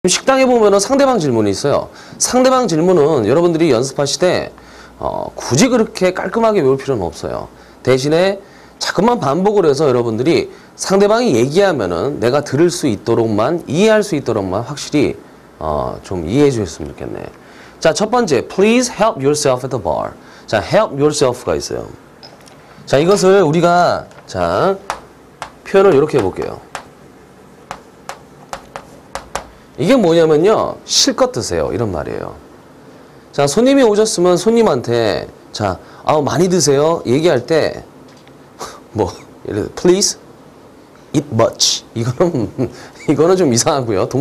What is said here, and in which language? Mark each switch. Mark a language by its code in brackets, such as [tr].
[ko] 식당에 보면은 상대방 질문이 있어요. 상대방 질문은 여러분들이 연습하실 때 굳이 그렇게 깔끔하게 외울 필요는 없어요. 대신에 자꾸만 반복을 해서 여러분들이 상대방이 얘기하면은 내가 들을 수 있도록만 이해할 수 있도록만 확실히 좀 이해해 주셨으면 좋겠네. 자, 첫 번째, [en] please help yourself at the bar. [ko] 자, [en] help yourself [ko] 가 있어요. 자, 이것을 우리가 자 표현을 이렇게 해볼게요. 이게 뭐냐면요, 실컷 드세요 이런 말이에요. 자, 손님이 오셨으면 손님한테 자, 아우 많이 드세요 얘기할 때뭐 예를 들어 [en] please eat much [ko] 이거는 좀 이상하고요.